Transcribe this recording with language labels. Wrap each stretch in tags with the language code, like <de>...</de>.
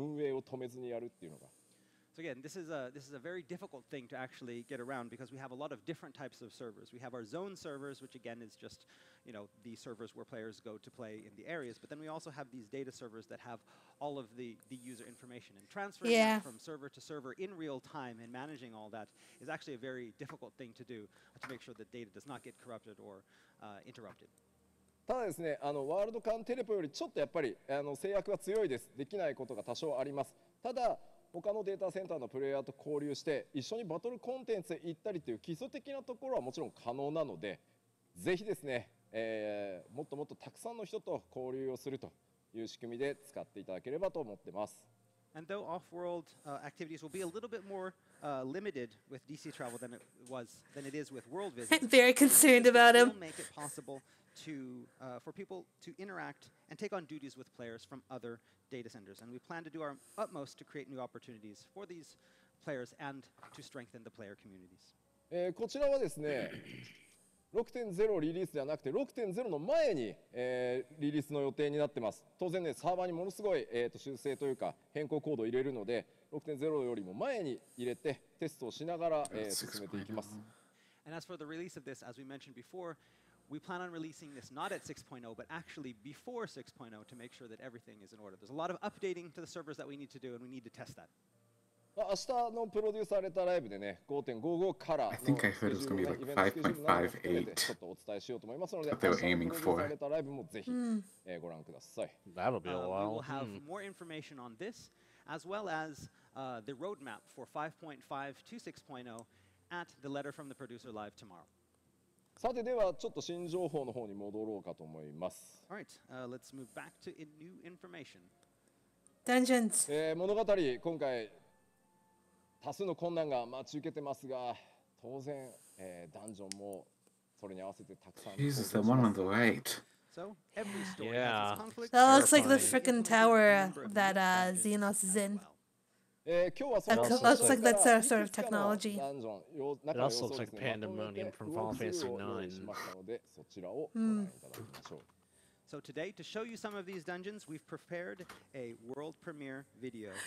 <ja>まあ、簡単に言うとですね、皆さんのキャラクターデータっていうのは、いくつかの、サーバーでね、すごく徹底管理をされていて、それ以外にね、実際にプレイをするゾーンサーバーとかっていうのがあるんですけど、そのを管理をする、サーバー、スペシャルサーバーっていうのが、データ選択ごとに用意されてるんですけど、そこでデータの受け渡しを後からやるっていうことがですね、まあ普通じゃないことなんです、これ。しかも運営を止めずにやるっていうのが。So</ja> <en>again, this is a very difficult thing to actually get around because we have a lot of different types of servers. Zone servers, which again is just, you know, the servers where players go to play in the areas. But then we also have these data servers that have all of the user information. And transferring yeah. from server to server in real time and managing all that is actually a very difficult thing to do to make sure that data does not get corrupted or interrupted.</en> <ja>ただですね、ワールド間テレポよりちょっとやっぱり制約は強いです。できないことが多少あります。ただ、他のデータセンターのプレイヤーと交流して、一緒にバトルコンテンツへ行ったりという基礎的なところはもちろん可能なので、ぜひですね、もっともっとたくさんの人と交流をするという仕組みで使っていただければと思ってます。</ja> <en>And though off-world activities will be a little bit more limited with DC travel than it is with world visits, I'm very concerned about him. Make it possible for people to interact and take on duties with players from other data centers. And we plan to do our utmost to create new opportunities for these players and to strengthen the player communities.</en> <ja>こちらはですね、6.0 リリースではなくて6.0の前に、リリースの予定になってます。当然ね、サーバーにものすごい、修正というか変更コードを入れるので、6.0 よりも前に入れてテストをしながら、進めていきます。</ja> <en>And as for the release of this, as we mentioned before, we plan on releasing this not at 6.0, but actually before 6.0 to make sure that everything is in order. There's a lot of updating to the servers that we need to do, and we need to test that.</en> <ja>明日のプロデューサーレターライブでね、5.55 からのスケジュールのイベントスケジュールなどちょっとお伝えしようと思いますので、明日のプロデューサーレターライブもぜひご覧ください。</ja> <en>That'll be a while. We will have more information on this, as well as the roadmap for 5.5 to 6.0 at the letter from the producer live tomorrow.</en> <ja>さてではちょっと新情報の方に戻ろうかと思います。</ja> <en>All right, let's move back to new information. Dungeons.</en> <ja>物語今回。多数の困難が待ち受けてますが、当然、ダンジョンもそれに合わせてたくさん。</ja> <en>Jesus, the one on the right. So, every story yeah. That looks terrifying. Like the freaking tower that Xenos is in.</en> <ja>今日はその</ja> <en>looks like that's a sort of technology. It also looks like pandemonium from Final Fantasy IX.</en> <ja>そちらをご覧いただきましょう。</ja> <en>So today, to show you some of these dungeons, we've prepared a world premiere video.</en>